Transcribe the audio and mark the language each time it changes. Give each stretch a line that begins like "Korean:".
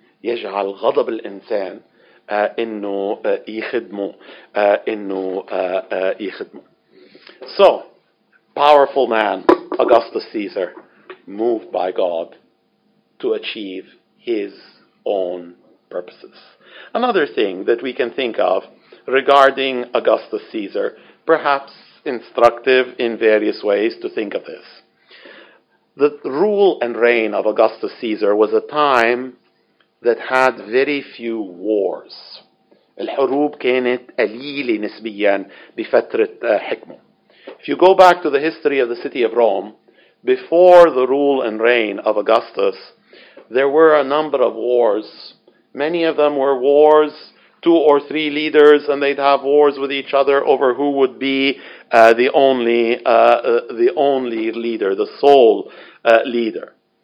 Arabic: يَجْعَلْ غَضَبِ الْإِنسَانِ
English: So, powerful man, Augustus Caesar, moved by God to achieve his own purposes. Another thing that we can think of regarding Augustus Caesar, perhaps instructive in various ways to think of this. The rule and reign of Augustus Caesar was a time that had very few wars.
Arabic: الحروب كانت قليلة نسبيا بفترة حكمه.
English: If you go back to the history of the city of Rome, before the rule and reign of Augustus, there were a number of wars. Many of them were wars, two or three leaders, and they'd have wars with each other over who would be the only leader, the sole leader.